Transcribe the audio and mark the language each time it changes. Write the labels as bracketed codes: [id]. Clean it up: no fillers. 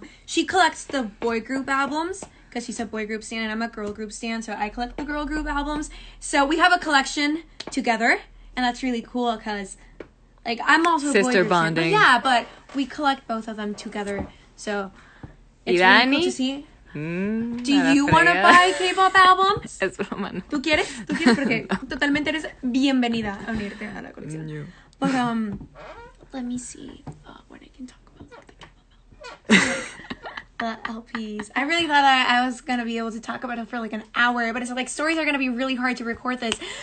[en] She collects the boy group albums because she's a boy group stan and I'm a girl group stan, so I collect the girl group albums. So we have a collection together, and that's really cool because, like, I'm also sister bonding. Stan, but yeah, but we collect both of them together. So it's really cool to see. Do you want to buy K-pop albums? [es] Es broma, no. ¿Tú quieres? Porque no. Totalmente eres bienvenida a unirte a la colección. No. [en] But, let me see when I can talk about the K-pop albums. The LPs. I really thought I was going to be able to talk about it for like an hour, but it's like stories are going to be really hard to record this.